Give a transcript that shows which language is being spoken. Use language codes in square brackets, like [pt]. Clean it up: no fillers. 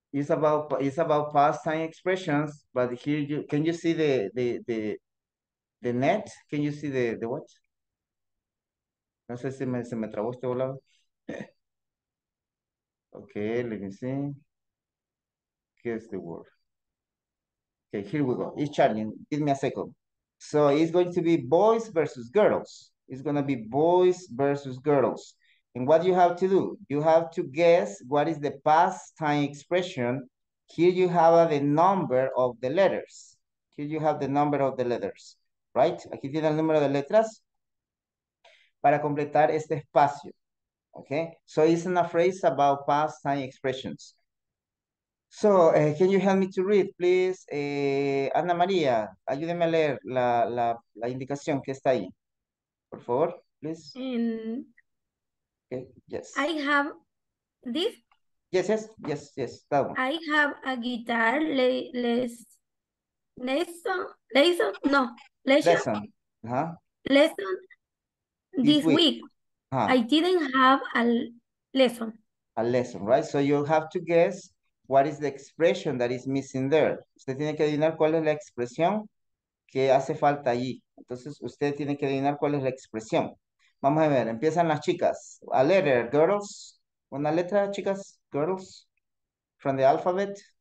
[en] It's about past time expressions, but here you can you see the net? Can you see the what? [es] No sé si se me trabó este volado. [en] Okay, let me see. Here's the word. Okay, here we go. It's charging. Give me a second. So it's going to be boys versus girls. It's gonna be boys versus girls. And what you have to do? You have to guess what is the past time expression. Here you have the number of the letters. Here you have the number of the letters, right? [es] Aquí tiene el número de letras para completar este espacio, okay? [en] So it's in a phrase about past time expressions. So can you help me to read, please? [es] Ana María, ayúdeme a leer la indicación que está ahí. Por favor, [en] please. Okay. Yes. I have this. Yes, yes, yes, yes. That one. I have a guitar. Lesson. Lesson. This week. I didn't have a lesson. A lesson, right? So you have to guess what is the expression that is missing there. [es] Usted tiene que adivinar cuál es la expresión que hace falta allí. Entonces usted tiene que adivinar cuál es la expresión. Vamos a ver, empiezan las chicas. [en] A letter, girls. [es] Una letra, chicas, [en] girls. From the alphabet.